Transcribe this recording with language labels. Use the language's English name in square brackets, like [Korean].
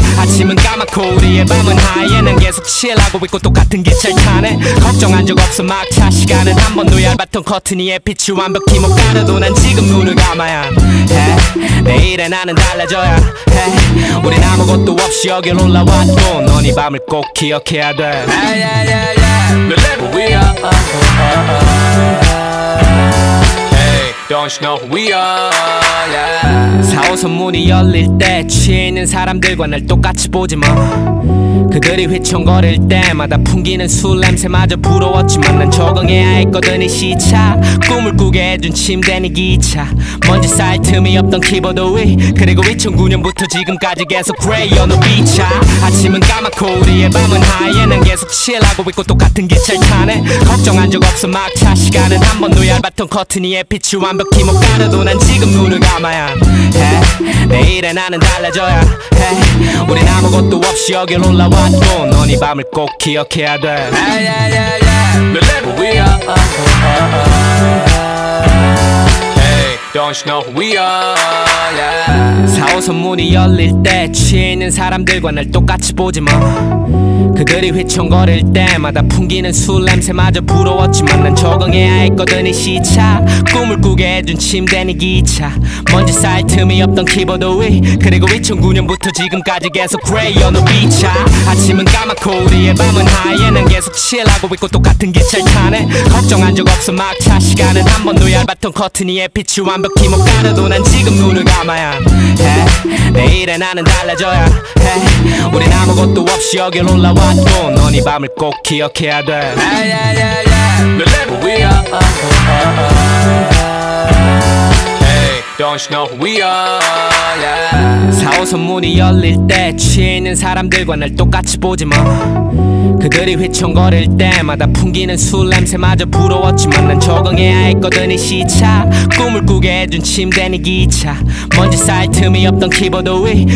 [Korean] 아침은 까맣고 우리의 밤은 하얘. 난 계속 칠하고 있고 똑같은 기차를 타네. 걱정한 적 없어 막차 시간은 한 번도 얇았던 커튼 위에 빛이 완벽히 못 가려도 난 지금 눈을 감아야 해. 내일의 나는 달라져야 해. 우린 아무것도 없이 여길 올라왔고 넌 이 밤을 꼭 기억해야 돼. Yeah, yeah, yeah, yeah. [English] We are Don't you know who we are, yeah. [Korean] 4호선 문이 열릴 때 취해 있는 사람들과 날 똑같이 보지 마. 그들이 휘청거릴 때마다 풍기는 술 냄새마저 부러웠지만 난 적응해야 했거든 이 시차. 꿈을 꾸게 해준 침대 니 기차. 먼지 쌓일 틈이 없던 키보드 위. 그리고 2009년부터 지금까지 계속 그레이어 너 비차. 아침은 까맣고 우리의 밤은 하얘. 난 계속 칠하고 있고 똑같은 기차를 타네. 걱정한 적 없어 막차 시간은 한 번도 얇았던 커튼 위에 빛이 완벽히 못 가려도 난 지금 눈을 감아야 해. 내일의 나는 달라져야 해. 우린 아무것도 없이 여길 올라왔고 넌 이 밤을 꼭 기억해야 돼. [English] Yeah, yeah, yeah, yeah. We're living, we are. Hey, don't you know who we are, yeah. [Korean] 4호선 문이 열릴 때 취해 있는 사람들과 날 똑같이 보지 마. 그들이 휘청거릴 때마다 풍기는 술 냄새마저 부러웠지만 난 적응해야 했거든 이 시차. 꿈을 꾸게 해준 침대 니 기차. 먼지 쌓일 틈이 없던 키보드 위. 그리고 2009년부터 지금까지 계속 그레이어 너 비차. 아침은 까맣고 우리의 밤은 하얘. 난 계속 칠하고 있고 똑같은 기차를 타네. 걱정한 적 없어 막차 시간은 한 번도 얇았던 커튼 위에 빛이 완벽히 못 가려도 난 지금 눈을 감아야 해. 내일의 나는 달라져야 해. 우린 아무것도 없이 여길 올라 왔고 넌 이 밤을 꼭 기억해야 돼. [English] Yeah, yeah, yeah, yeah. We're living, we are. Hey, don't you know who we are, yeah. [Korean] 4호선 문이 열릴 때 취해 있는 사람들과 날 똑같이 보지 마. 그들이 휘청거릴 때마다 풍기는 술 냄새마저 부러웠지만 난 적응해야 했거든 이 시차. 꿈을 꾸게 해준 침대 니 기차. 먼지 쌓일 틈이 없던 키보드 위.